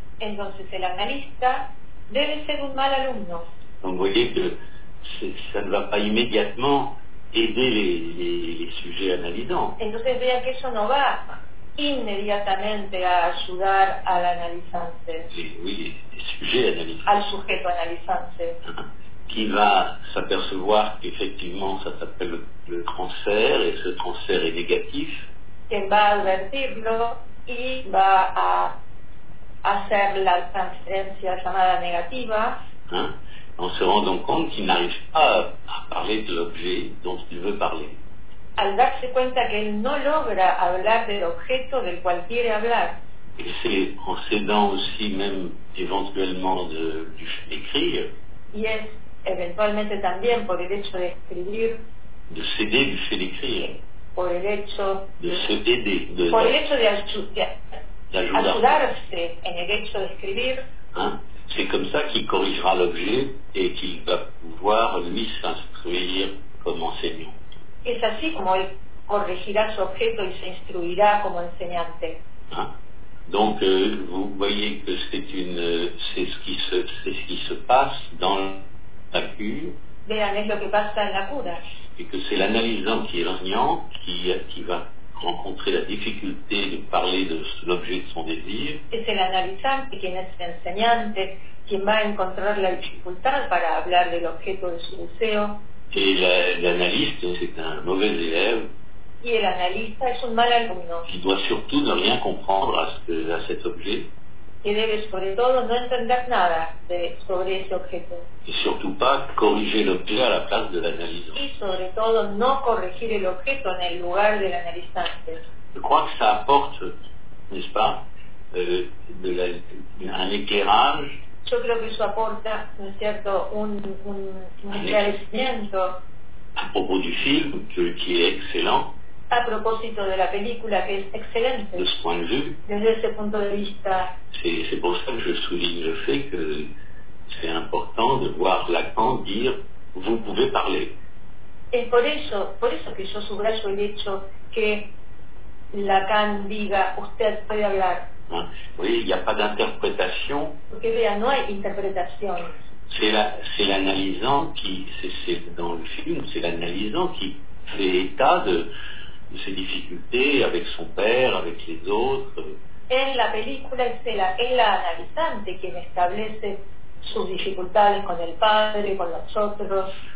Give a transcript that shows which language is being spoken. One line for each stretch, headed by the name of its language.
Spanish: Entonces el analista debe ser un mal alumno.
French: Donc vous voyez que ça ne va pas immédiatement aider les sujets analysants.
Spanish: Entonces vean que eso no va inmediatamente a ayudar al analizante.
French: Oui, les sujets analysants.
Spanish: Al sujeto analizante.
French: Qui va s'apercevoir qu'effectivement ça s'appelle le transfert et ce transfert est négatif.
Spanish: Quien va a advertirlo y va a hacer la transferencia llamada negativa.
French: En se rendant compte qu'il n'arrive pas à parler de l'objet dont il veut parler.
Spanish: Al darse cuenta que él no logra hablar del objeto del cual quiere hablar.
French: Et c'est en s'aidant aussi même éventuellement de l'écrire.
Spanish: Y es eventualmente también por el hecho de escribir.
French: De s'aider du fait d'écrire.
Spanish: Por el hecho
French: de se aider.
Spanish: Por el hecho de ayudarse en el hecho de escribir.
French: C'est comme ça qu'il corrigera l'objet et qu'il va pouvoir lui s'instruire comme enseignant.
Spanish: Es así como él corregirá su objeto y se instruirá como enseñante.
French: Donc vous voyez que c'est ce qui se passe dans la cure.
Spanish: Vean, es lo que pasa en la cura.
French: Et que c'est l'analysant qui est l'enseignant qui va rencontré la difficulté de parler de l'objet de son désir.
Spanish: Es el analizante quien es el enseñante, quien va a encontrar la dificultad para hablar del objeto de su deseo.
French: Et l'analyste, c'est un mauvais élève.
Spanish: Y el analista es un mal alumno.
French: Qui doit surtout ne rien comprendre à cet objet.
Spanish: Que debe sobre todo no entender nada sobre ese objeto.
French: Y surtout pas corriger l'objet à la place de l'analyste.
Spanish: Y sobre todo no corregir el objeto en el lugar del analizante.
French: Je crois que ça apporte, n'est-ce pas, un éclairage.
Spanish: Yo creo que eso aporta, ¿no es cierto?, un esclarecimiento.
French: A propos du film, qui est excellent.
Spanish: A propósito de la película, que es excelente.
French: De ce point de vue.
Spanish: Desde ese punto de vista.
French: C'est pour ça que je souligne le fait que c'est important de voir Lacan dire « vous pouvez parler ».
Spanish: Es por eso que yo subrayo el hecho que Lacan diga « usted puede hablar ».
French: Vous voyez, il n'y a pas d'interprétation.
Spanish: Porque vea, no hay interpretación.
French: C'est l'analysant qui, c'est dans le film, c'est l'analysant qui fait état de ses difficultés avec son père, avec les autres.
Spanish: En la película es la analizante quien establece sus dificultades con el padre, con los otros.